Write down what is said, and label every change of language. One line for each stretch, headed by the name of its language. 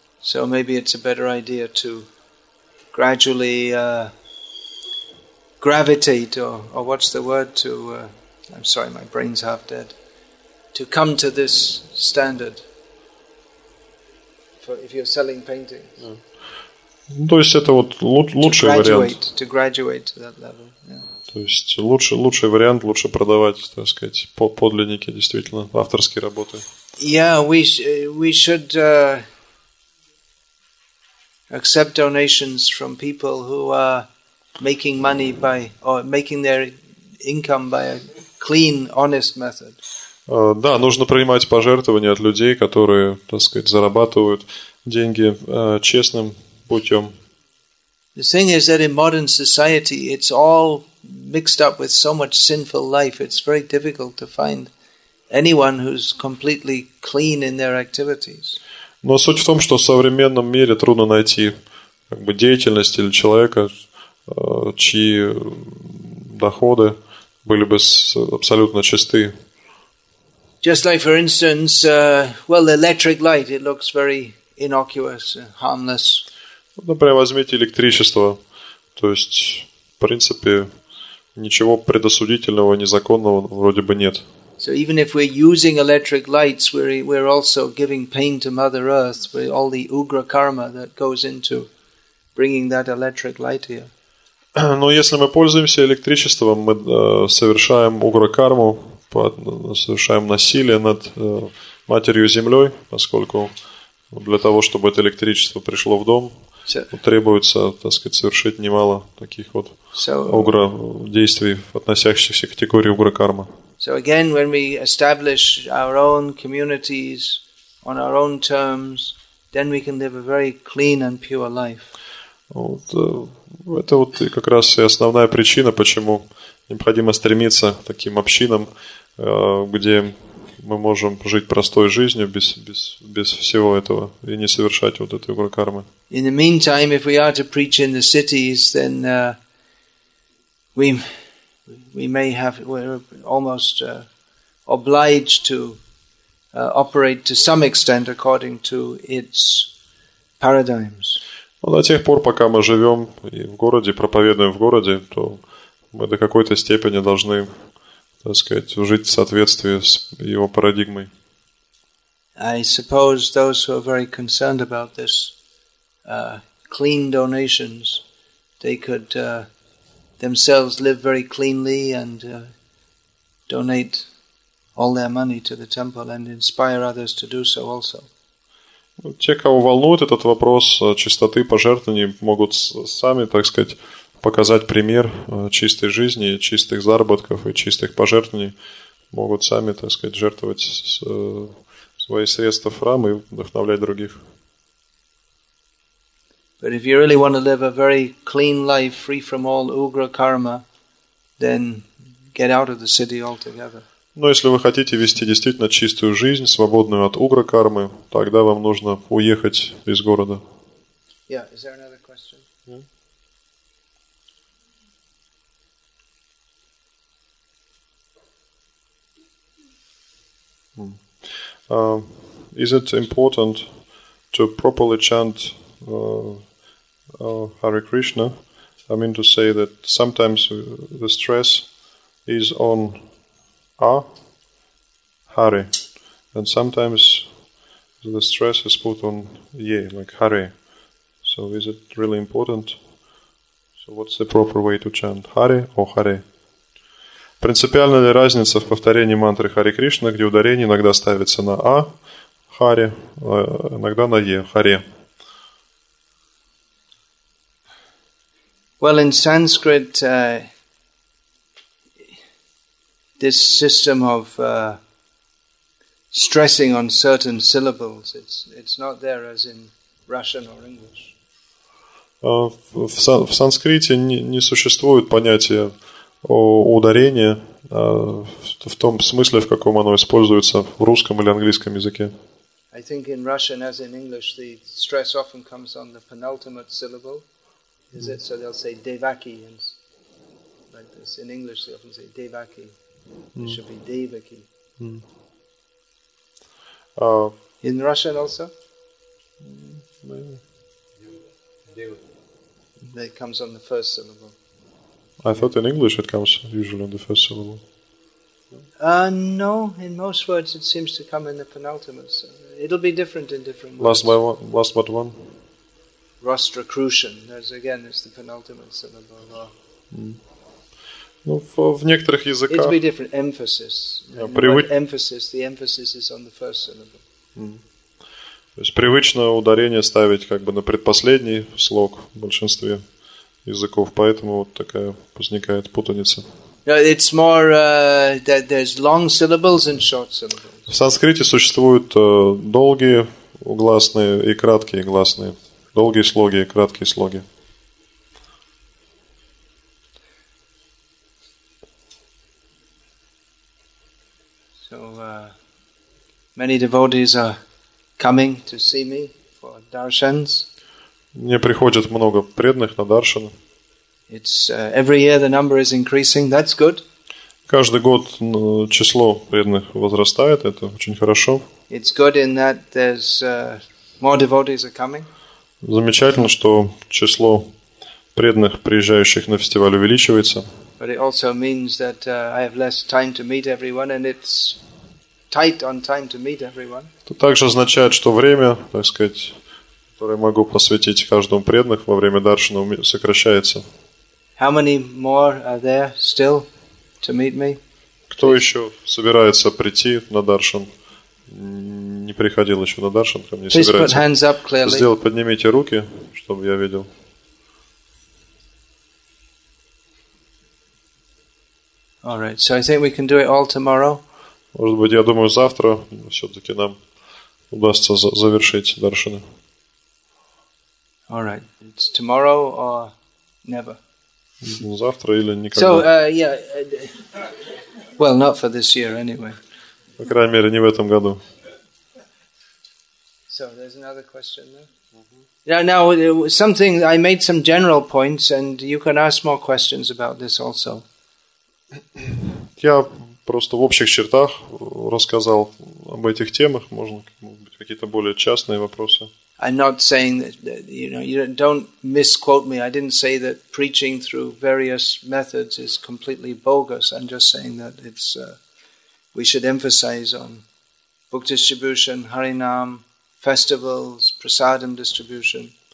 English: So maybe it's a better idea to gradually gravitate, or what's the word to, I'm sorry, my brain's half dead, to come to this standard for if you're selling paintings.
Russian: Ну, то есть это вот лучший вариант.
English: To graduate to that level, yeah.
Russian: То есть лучший вариант, лучше продавать, так сказать, подлинники, действительно, авторские работы.
English: Yeah, we should accept donations from people who are making money by or making their income by a clean, honest method.
Russian: Да, нужно принимать пожертвования от людей, которые, так сказать, зарабатывают деньги честным путем.
English: The thing is that in modern society it's all mixed up with so much sinful life. It's very difficult to find anyone who's completely clean in their activities.
Russian: Но суть в том, что в современном мире трудно найти как бы деятельность или человека, чьи доходы были бы абсолютно чисты.
English: Just like, for instance, well, electric light, it looks very innocuous, harmless.
Russian: Например, возьмите электричество. То есть, в принципе, ничего предосудительного, незаконного вроде бы нет.
English: So even if we're using electric lights, we're also giving pain to Mother Earth with all the ugra karma that goes into bringing that electric light here.
Russian: Но если мы пользуемся электричеством, мы совершаем угра карму, совершаем насилие над матерью землей, поскольку для того, чтобы это электричество пришло в дом, требуется, так сказать, совершить немало таких вот угра действий, относящихся к категории угра карма.
English: So again, when we establish our own communities on our own terms, then we can live a very clean and pure life.
Russian: Вот, это вот и как раз и основная причина, почему необходимо стремиться к таким общинам, где мы можем жить простой жизнью без всего этого и не совершать вот этой угры кармы.
English: In the meantime, if we are to preach in the cities, then we're almost obliged to operate to some extent according to its paradigms.
Russian: Но до тех пор, пока мы живем и в городе, проповедуем в городе, то мы до какой-то степени должны, так сказать, жить в соответствии с его парадигмой.
English: I suppose those who are very concerned about this clean donations, they could themselves live very cleanly and donate all their money to the temple and inspire others to do so also.
Russian: Те, кого волнует этот вопрос чистоты пожертвований, могут сами, так сказать, показать пример чистой жизни, чистых заработков и чистых пожертвований, могут сами, так сказать, жертвовать свои средства в храм и вдохновлять других.
English: But if you really want to live a very clean life, free from all ugra karma, then get out of the city altogether.
Russian: Но если вы хотите вести действительно чистую жизнь, свободную от угра кармы, тогда вам нужно уехать из города.
English: Yeah, is there another question? Is it important to properly chant Hare Krishna? I mean to say that sometimes the stress is on Hare, and sometimes the stress is put on Ye, like Hare. So is it really important? So what's the proper way to chant? Hare or Hare?
Russian: Принципиальна ли разница в повторении мантры Hare Krishna, где ударение иногда ставится на А, Hare, иногда на Е, Hare?
English: Well, in Sanskrit, this system of stressing on certain syllables, it's not there as in Russian or English.
Russian: В санскрите не существует понятия о ударении в том смысле, в каком оно используется в русском или английском языке.
English: I think in Russian, as in English, the stress often comes on the penultimate syllable. Is it? So they'll say Devaki, and like this. In English, they often say Devaki. It should be Devaki. In Russian also? Maybe. It comes on the first syllable. I thought in English it comes usually on the first syllable. No, in most words it seems to come in the penultimate. So it'll be different in different words. Last but one. Rostrocrucian. There's again, it's the penultimate syllable.
Russian: Ну, в некоторых языках.
English: It'll be different emphasis. Emphasis. The emphasis is on the first syllable.
Russian: То есть привычно ударение ставить как бы на предпоследний слог в большинстве языков, поэтому вот такая возникает путаница.
English: It's more that there's long syllables and short syllables.
Russian: В санскрите существуют долгие гласные и краткие гласные, долгие слоги и краткие слоги.
English: So many devotees are coming to see me for darshans.
Russian: Мне приходит много преданных на даршан.
English: It's every year the number is increasing. That's good.
Russian: Каждый год число преданных возрастает. Это очень хорошо.
English: It's good in that there's more devotees are coming.
Russian: Замечательно, что число преданных приезжающих на фестиваль увеличивается.
English: But it also means that I have less time to meet everyone, and it's tight on time to meet everyone.
Russian: Это также означает, что время, так сказать, которое могу посвятить каждому преданных во время даршана, сокращается.
English: How many more are there still to meet me?
Russian: Кто еще собирается прийти на даршан? Не приходил еще на даршан, ко мне собирается.
English: Please put hands up clearly.
Russian: Сделайте, поднимите руки, чтобы я видел.
English: All right, so I think we can do it all tomorrow.
Russian: Может быть, я думаю, завтра все-таки нам удастся завершить даршаны.
English: All right, it's tomorrow or never.
Russian: Завтра или никогда.
English: So, yeah. Well, not for this year, anyway.
Russian: По крайней мере, не в этом году.
English: So, there's another question there. Mm-hmm. Now, something, I made some general points, and you can ask more questions about this also.
Russian: Я просто в общих чертах рассказал об этих темах. Можно, может быть, какие-то более частные вопросы.
English: I'm not saying that, you know, you don't misquote me. I didn't say that preaching through various methods is completely bogus. I'm just saying that it's we should emphasize on book distribution, Harinam, festivals, prasadam distribution.